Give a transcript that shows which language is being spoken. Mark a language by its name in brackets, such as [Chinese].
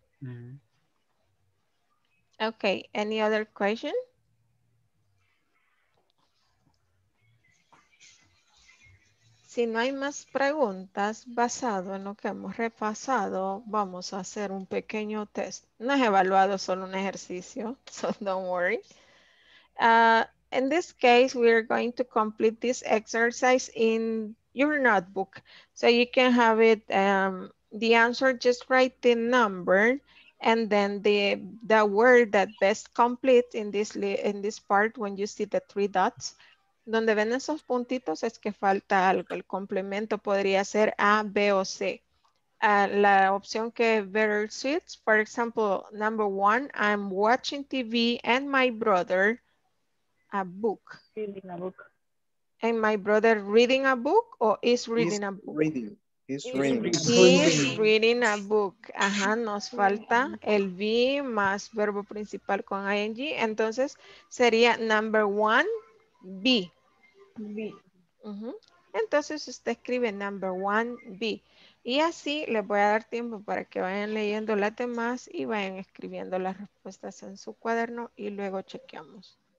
[English] Uh-huh. Okay, any other question? [Spanish] Si no hay más preguntas, basado en lo que hemos repasado, vamos a hacer un pequeño test. No es evaluado, solo un ejercicio, [English] so don't worry. In this case, we are going to complete this exercise in your notebook. So you can have it, the answer, just write the number and then the word that best complete in this part when you see the three dots. [Spanish] Donde ven esos puntitos es que falta algo. El complemento podría ser A, B o C. La opción que [English] better suits, for example, number one, I'm watching TV and my brother a book. Reading a book. And my brother reading a book or is reading He's a book? Reading. He's reading. He's reading a book. [Spanish] Ajá, nos falta el be más verbo principal con ing. Entonces sería [English] number one, [Spanish] be. Be. Uh-huh. Entonces usted escribe [English] number one, [Spanish] be. Y así les voy a dar tiempo para que vayan leyendo las demás y vayan escribiendo las respuestas en su cuaderno y luego chequeamos.